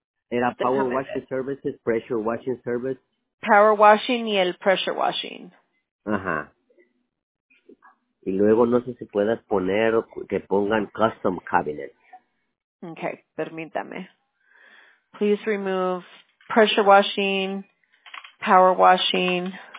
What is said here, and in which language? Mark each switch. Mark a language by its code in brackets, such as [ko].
[es] Era power washing services, pressure washing service. Power washing y el pressure washing. Ajá. Y luego no sé si puedas poner que pongan custom cabinets. Okay, permítame. [en] Please remove pressure washing, power washing.